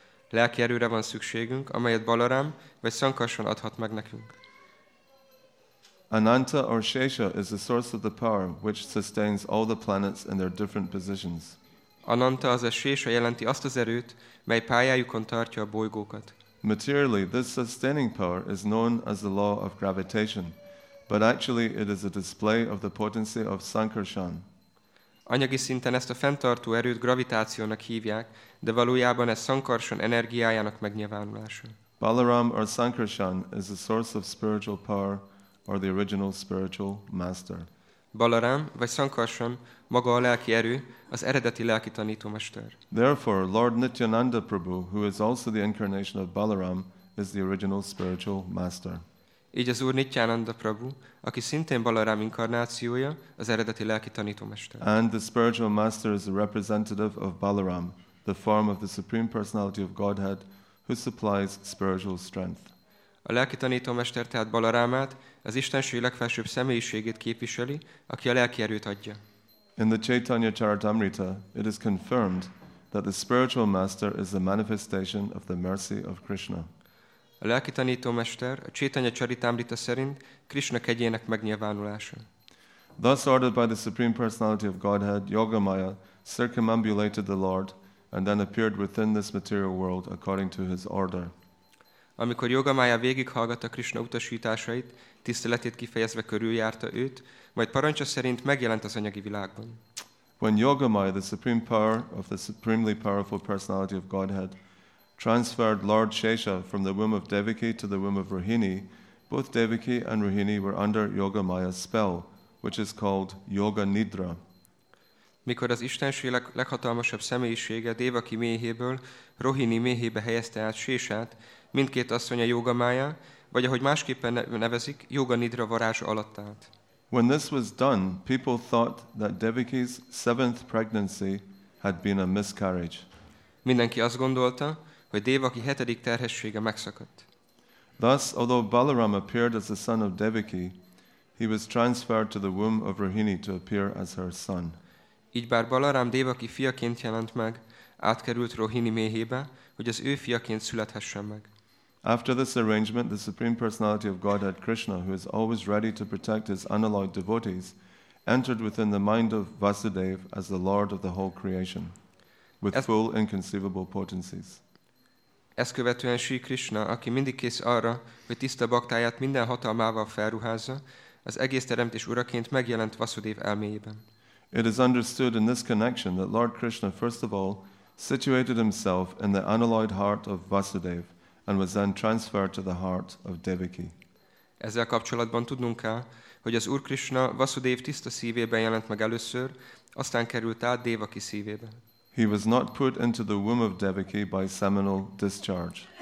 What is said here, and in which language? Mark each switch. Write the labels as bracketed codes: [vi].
[hu] Lelki erőre van szükségünk, amelyet Balaram vagy Sankarsan adhat meg nekünk. [en] Ananta or Shesha is the source of the power which sustains all the planets in their different positions. [hu] Ananta az a Shesha jelenti azt az erőt, mely pályájukon tartja a bolygókat. [en] Materially, this sustaining power is known as the law of gravitation, but actually it is a display of the potency of Sankarsan. [hu] Anyagi szinten ezt a fenntartó erőt gravitációnak hívják, de valójában ez Sankarsan energiájának megnyilvánulása. [en] Balaram or Sankarsan is the source of spiritual power or the original spiritual master. [hu] Balaram vagy Sankarsan maga a lelki erő, az eredeti lelki tanítómester. [en] Therefore, Lord Nityananda Prabhu, who is also the incarnation of Balaram, is the original spiritual master. [hu] Így az Úr Nityananda Prabhu, aki szintén Balaram inkarnációja, az eredeti lelki tanítómester. [en] And the spiritual master is a representative of Balaram, the form of the Supreme Personality of Godhead, who supplies spiritual strength. [hu] A lelki tanítómester tehát Balarámát, az Istenség legfelsőbb személyiségét képviseli, aki a lelki erőt adja. [en] In the Chaitanya Charitamrita, it is confirmed that the spiritual master is the manifestation of the mercy of Krishna. [hu] A lelki tanítómester a Chaitanya Charitamrita szerint Krishna kegyének megnyilvánulása. [en] Thus ordered by the Supreme Personality of Godhead, Yogamaya circumambulated the Lord and then appeared within this material world according to his order. [hu] Amikor Yogamaya végighallgatta Krishna utasításait, tiszteletét kifejezve körüljárta őt, majd parancsa szerint megjelent az anyagi világban. [en] When Yogamaya, the supreme power of the supremely powerful personality of Godhead, transferred Lord Shesha from the womb of Devaki to the womb of Rohini, both Devaki and Rohini were under Yogamaya's spell, which is called Yoga Nidra. [hu] Mikor az Istenség leghatalmasabb személyisége Devaki méhéből Rohini méhébe helyezte át Shesát, mindkét asszony a Yogamaya, vagy ahogy másképpen nevezik, Yoga Nidra varázsa alatt állt. [en] When this was done, people thought that Devaki's seventh pregnancy had been a miscarriage. [hu] Mindenki azt gondolta, hogy Devaki hetedik terhessége megszakadt. [en] Thus, although Balaram appeared as the son of Devaki, he was transferred to the womb of Rohini to appear as her son. [hu] Így bár Balaram Devaki fiaként jelent meg, átkerült Rohini méhébe, hogy az ő fiaként születhessen meg. [en] After this arrangement, the Supreme Personality of Godhead Krishna, who is always ready to protect his unalloyed devotees, entered within the mind of Vasudeva as the Lord of the whole creation, with full inconceivable potencies. [hu] Ezt követően Sri Krishna, aki mindig kész arra, hogy tiszta baktáját minden hatalmával felruházza, az egész teremtés uraként megjelent Vasudeva elméjében. [en] It is understood in this connection that Lord Krishna, first of all, situated himself in the unalloyed heart of Vasudeva, and was then transferred to the heart of Devaki. [hu] Ezzel kapcsolatban tudnunk kell, hogy az Úr Krishna Vasudev tiszta szívében jelent meg először, aztán került át Devaki szívébe. [en] He was not put into the womb of Devaki by seminal discharge.